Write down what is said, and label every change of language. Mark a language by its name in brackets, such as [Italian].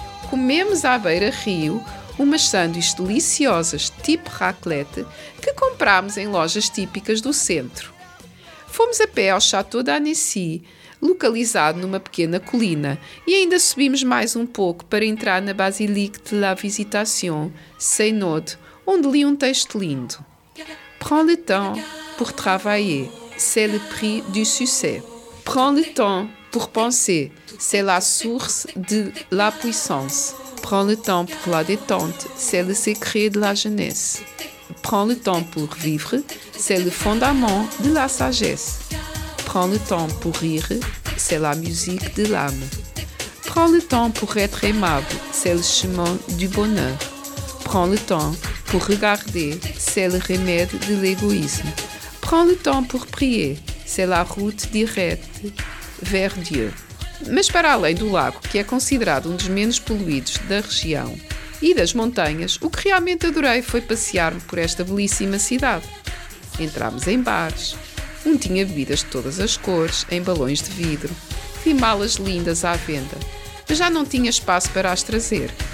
[Portuguese] Comemos à beira-rio umas sanduíches deliciosas tipo raclette que comprámos em lojas típicas do centro. Fomos a pé ao Château d'Annecy, localizado numa pequena colina, e ainda subimos mais um pouco para entrar na Basilique de la Visitation, Seynod, onde li um texto lindo. [French] Prends le temps pour travailler, c'est le prix du succès. Prends le temps pour penser, c'est la source de la puissance. Prends le temps pour la détente, c'est le secret de la jeunesse. Prends le temps pour vivre, c'est le fondement de la sagesse. Prends le temps pour rire, c'est la musique de l'âme. Prends le temps pour être aimable, c'est le chemin du bonheur. Prends le temps pour regarder, c'est le remède de l'égoïsme. Prends le temps pour prier, c'est la route directe vers Dieu. [Portuguese] Mas para além do lago, que é considerado um dos menos poluídos da região, e das montanhas, o que realmente adorei foi passear-me por esta belíssima cidade. Entramos em bares. Um tinha bebidas de todas as cores, em balões de vidro. Vi malas lindas à venda, mas já não tinha espaço para as trazer.